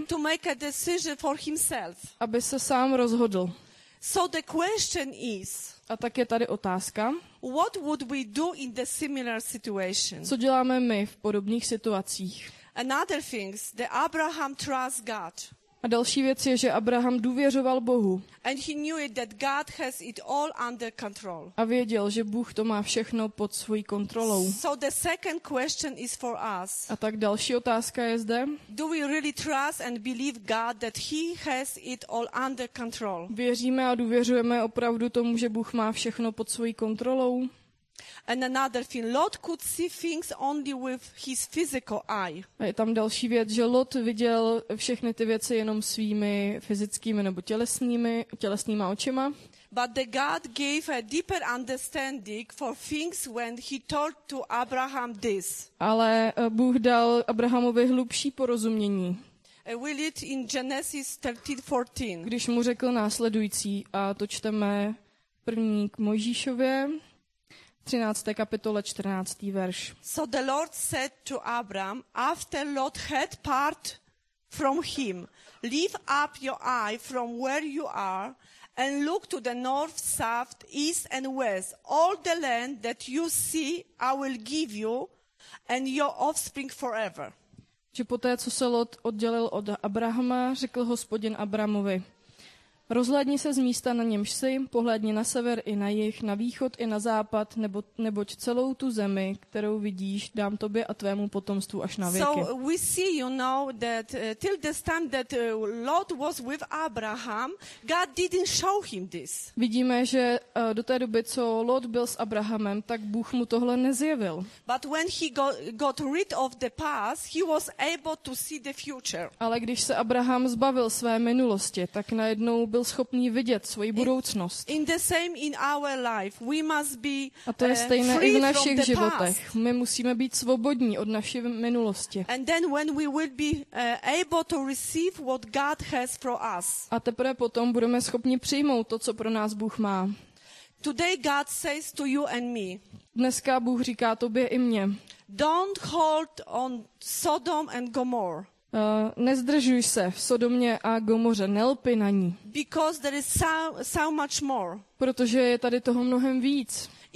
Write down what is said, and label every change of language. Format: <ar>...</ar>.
<en>to make a decision for himself.</en> <cs>Aby se sám rozhodl.</cs> <en>So the question is,</en> <cs>a tak je tady otázka.</cs> <en>What would we do in the similar situation?</en> <cs>Co děláme my v podobných situacích?</cs> <en>Another thing, the Abraham trust God.</en> <cs>A další věc je, že Abraham důvěřoval Bohu.</cs> <en>And he knew it, that God has it all under control.</en> <cs>A věděl, že Bůh to má všechno pod svojí kontrolou.</cs> <en>So the second question is for us.</en> <cs>A tak další otázka je zde.</cs> <en>Do we really trust and believe God that he has it all under control?</en> <cs>Věříme a důvěřujeme opravdu tomu, že Bůh má všechno pod svojí kontrolou?</cs> <en>And another thing, Lot could see things only with his physical eye.</en> <cs>A je tam další věc, že Lot viděl všechny ty věci jenom svými fyzickými nebo tělesnýma očima.</cs> <en>But the God gave a deeper understanding for things when he told to Abraham this.</en> <cs>Ale Bůh dal Abrahamovi hlubší porozumění.</cs> <en>We read in Genesis 13:14.</en> <cs>Když mu řekl následující, a to čteme první k Mojžíšově, 13. kapitole 14. verš.</cs> <en>So the Lord said to Abram, after Lot had part from him, lift up your eye from where you are and look to the north, south, east and west. All the land that you see I will give you and your offspring forever.</en> <cs>Že poté, co se Lot oddělil od Abrahama, řekl Hospodin Abramovi, rozhlédni se z místa, na němž jsi, pohlédni na sever i na jih, na východ i na západ, neboť celou tu zemi, kterou vidíš, dám tobě a tvému potomstvu až na věky.</cs> <en>So we see, you know, that till the time that Lot was with Abraham, God didn't show him this.</en> <cs>Vidíme, že do té doby, co Lot byl s Abrahamem, tak Bůh mu tohle nezjevil.</cs> <en>But when he got rid of the past, he was able to see the future.</en> <cs>Ale když se Abraham zbavil své minulosti, tak najednou byl schopný vidět svoji budoucnost.</cs> <en>In the same in our life, we must be,</en> <cs>a to je stejné i v našich životech. My musíme být svobodní od naší minulosti.</cs> <en>And then when we will be able to receive what God has for us.</en> <cs>A teprve potom budeme schopni přijmout to, co pro nás Bůh má.</cs> <en>Today God says to you and me.</en> <cs>Dneska Bůh říká tobě i mně.</cs> <en>Don't hold on Sodom and Gomorrah.</en> <cs>Nezdržuj se v Sodomě a Gomoře, nelpi na ní.</cs> <en>Because there is so much more.</en> <cs>Protože je tady toho mnohem víc.</cs>